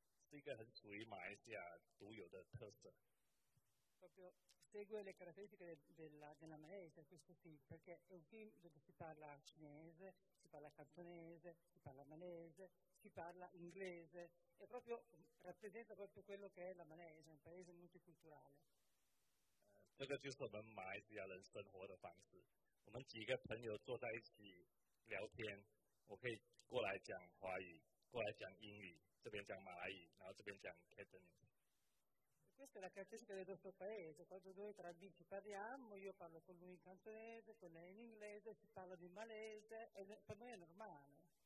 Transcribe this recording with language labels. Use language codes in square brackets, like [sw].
[zh] 是一个很属于马来西亚独有的特色。 [it] Proprio segue le caratteristiche della Malesia questo film, perché è un film dove si parla cinese, si parla cantonese, si parla malese, si parla inglese, e proprio rappresenta proprio quello che è la Malesia, un paese multiculturale. [zh] 这个就是我们马来西亚人生活的方式。我们几个朋友坐在一起聊天，我可以过来讲华语，过来讲英语。 [it] Questa è la caratteristica del nostro paese, quando noi tra amici parliamo, io parlo con lui in cantonese, con lei in inglese, si parla di malese, e per noi è normale.